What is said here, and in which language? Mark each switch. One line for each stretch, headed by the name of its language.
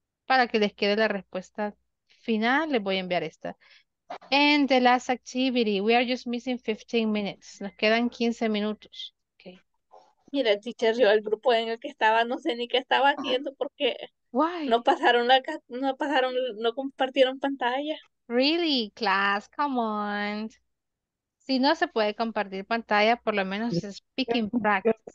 Spanish: Para que les quede la respuesta final, les voy a enviar esta.
English: And the last activity, we are just missing 15 minutes.
Spanish: Nos quedan 15 minutos. Okay. Mira, teacher, yo el grupo en el que estaba, no sé ni qué estaba haciendo porque
English: why?
Spanish: No compartieron pantalla.
English: Really, class, come on.
Spanish: Si no se puede compartir pantalla, por lo menos
English: speaking practice.